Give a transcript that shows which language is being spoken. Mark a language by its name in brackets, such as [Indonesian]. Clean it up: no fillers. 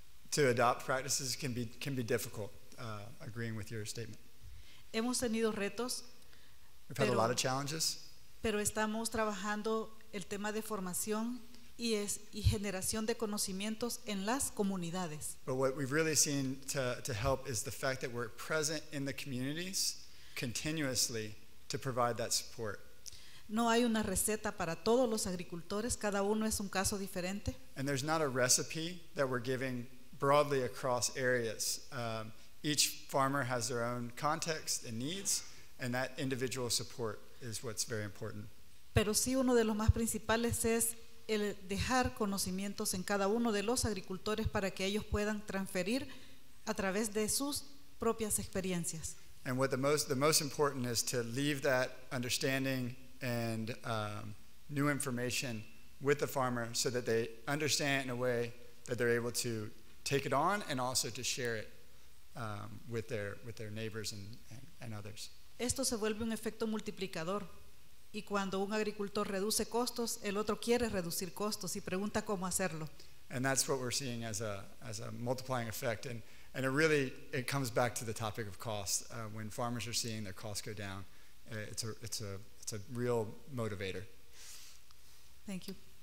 [English] To adopt practices can be difficult, agreeing with your statement. [Spanish] Hemos tenido retos. [English] We've had a lot of challenges. [Spanish] Pero estamos trabajando el tema de formación y generación de conocimientos en las comunidades. [English] But what we've really seen to help is the fact that we're present in the communities continuously to provide that support. [Spanish] No hay una receta para todos los agricultores, cada uno es un caso diferente. [English] And there's not a recipe that we're giving broadly across areas. Each farmer has their own context and needs, and that individual support is what's very important. [Spanish] Pero sí, uno de los más principales es el dejar conocimientos en cada uno de los agricultores para que ellos puedan transferir a través de sus propias experiencias. [English] And what the most important is to leave that understanding and new information with the farmer so that they understand in a way that they're able to take it on and also to share it with their neighbors and others. [Spanish] Esto se vuelve un efecto multiplicador. Y cuando un agricultor reduce costos, el otro quiere reducir costos y pregunta cómo hacerlo. [English] And that's what we're seeing as a multiplying effect. And it really, it comes back to the topic of cost. When farmers are seeing their costs go down, it's a real motivator. Thank you.